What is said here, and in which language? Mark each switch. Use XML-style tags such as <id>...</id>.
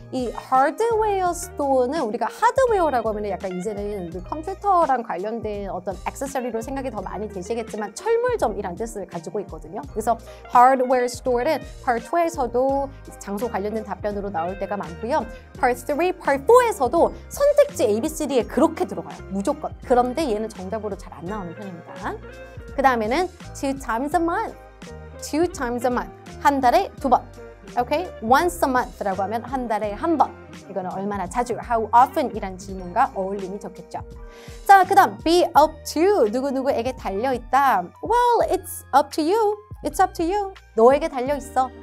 <ko>이 hardware store는 우리가 hardware라고 하면 약간 이제는 그 컴퓨터랑 관련된 어떤 액세서리로 생각이 더 많이 되시겠지만 철물점이란 뜻을 가지고 있거든요. 그래서 hardware store는 part 2에서도 장소 관련된 답변으로 나올 때가 많고요. part 3, part 4에서도 선택지 ABCD에 그렇게 들어가요. 무조건. 그런데 얘는 정답으로 잘 안 나오는 편입니다. 그 다음에는</ko> <en>two times a month. Two times a month.</en> <ko>한 달에 두 번.</ko> <en>Okay? Once a month</en> <ko>라고 하면 한 달에 한 번. 이거는 얼마나 자주,</ko> <en>how often</en> <ko>이란 질문과 어울림이 좋겠죠. 자, 그 다음,</ko> <en>be up to</en> <ko>누구누구에게 달려있다.</ko> <en>Well, it's up to you. It's up to you.</en> <ko>너에게 달려있어.</ko>